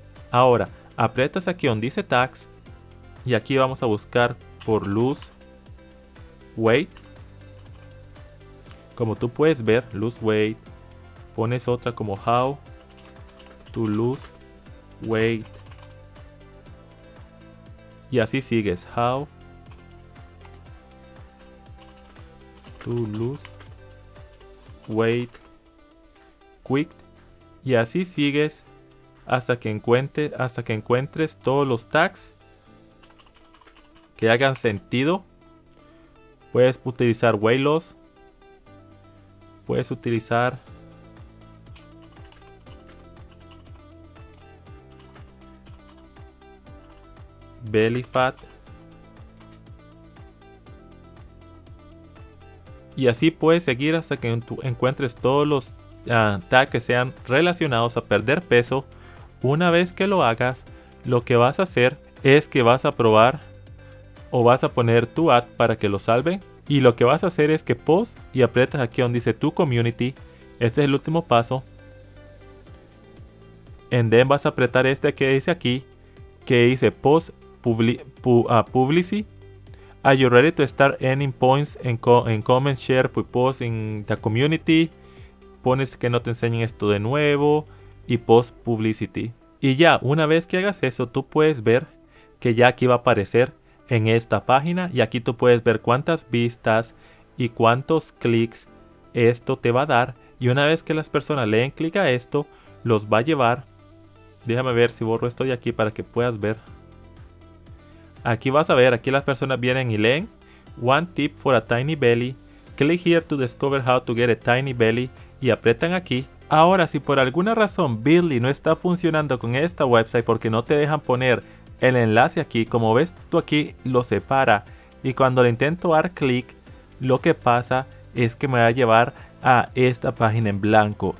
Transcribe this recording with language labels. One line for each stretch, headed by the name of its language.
Spanish: Ahora, aprietas aquí donde dice tags y aquí vamos a buscar por
English: lose weight.
Spanish: Como tú puedes ver,
English: lose weight.
Spanish: Pones otra como
English: how to lose wait.
Spanish: Y así sigues.
English: How to lose weight quick.
Spanish: Y así sigues hasta que encuentres todos los tags que hagan sentido. Puedes utilizar
English: weight loss.
Spanish: Puedes utilizar
English: belly fat.
Spanish: Y así puedes seguir hasta que encuentres todos los tags que sean relacionados a perder peso. Una vez que lo hagas, lo que vas a hacer es que vas a probar o vas a poner tu ad para que lo salve. Y lo que vas a hacer es que post y aprietas aquí donde dice tu community. Este es el último paso.
English: And then
Spanish: vas a apretar este que dice aquí, que dice
English: post publicity. Are you ready to start earning points in comments, share, post in the community?
Spanish: Pones que no te enseñen esto de nuevo y
English: post publicity.
Spanish: Y ya, una vez que hagas eso, tú puedes ver que ya aquí va a aparecer en esta página. Y aquí tú puedes ver cuántas vistas y cuántos clics esto te va a dar. Y una vez que las personas leen clic a esto, los va a llevar. Déjame ver si borro esto de aquí para que puedas ver. Aquí vas a ver, aquí las personas vienen y leen.
English: One tip for a tiny belly. Click here to discover how to get a tiny belly.
Spanish: Y apretan aquí. Ahora, si por alguna razón Bitly no está funcionando con esta website porque no te dejan poner el enlace aquí, como ves tú aquí, lo separa. Y cuando le intento dar clic, lo que pasa es que me va a llevar a esta página en blanco.